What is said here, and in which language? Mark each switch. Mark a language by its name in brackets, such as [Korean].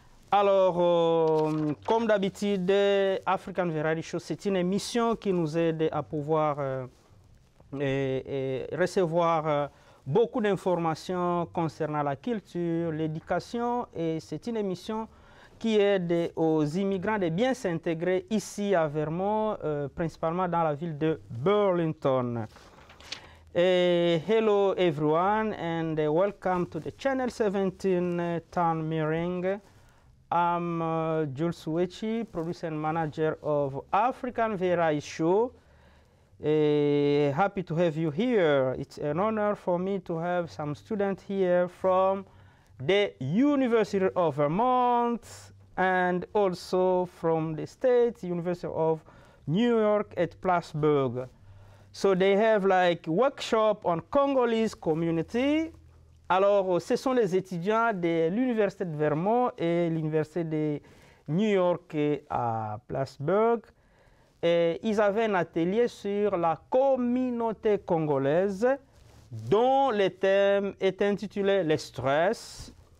[French] Alors, comme d'habitude, African Variety Show, c'est une émission qui nous aide à pouvoir et recevoir beaucoup d'informations concernant la culture, l'éducation, et c'est une émission qui aide aux immigrants de bien s'intégrer ici à Vermont, principalement dans la ville de Burlington. [English] Et hello everyone and welcome to the Channel 17 Town Meeting. I'm Jules Wechi, producer and manager of African Variety Show. Et happy to have you here. It's an honor for me to have some students here from the University of Vermont. And also from the State University of New York at Plattsburgh. So they have like workshop on Congolese community. [French] Alors, ce sont les étudiants de l'Université de Vermont et l'Université de New York à Plattsburgh. Et ils avaient un atelier sur la communauté congolaise, dont le thème est intitulé le stress.